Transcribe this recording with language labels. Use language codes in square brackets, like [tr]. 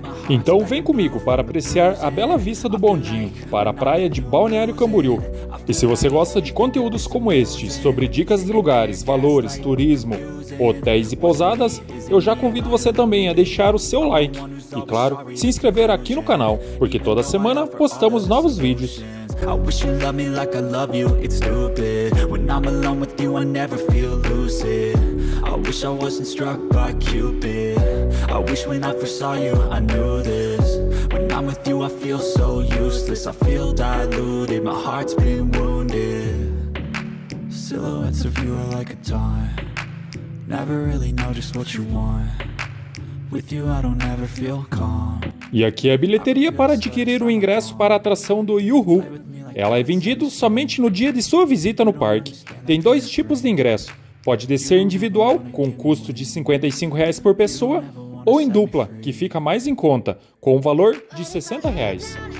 [pt] Então vem comigo para apreciar a bela vista do bondinho para a praia de Balneário Camboriú. E se você gosta de conteúdos como este, sobre dicas de lugares, valores, turismo, hotéis e pousadas, eu já convido você também a deixar o seu like e, claro, se inscrever aqui no canal, porque toda semana postamos novos vídeos. [en] I wish you loved me like I love you, it's stupid. When I'm alone with you, I never feel lucid. I wish I wasn't struck by Cupid. I wish when I first saw you, I knew this. When I'm with you, I feel so useless. I feel diluted, my heart's been wounded. Silhouettes of you are like a taunt. Never really know just what you want. With you, I don't ever feel calm. [pt] E aqui é a bilheteria para adquirir o ingresso para a atração do Yuhu. Ela é vendida somente no dia de sua visita no parque. Tem dois tipos de ingresso. Pode descer individual, com custo de R$ 55,00 por pessoa, ou em dupla, que fica mais em conta, com o valor de R$ 60,00.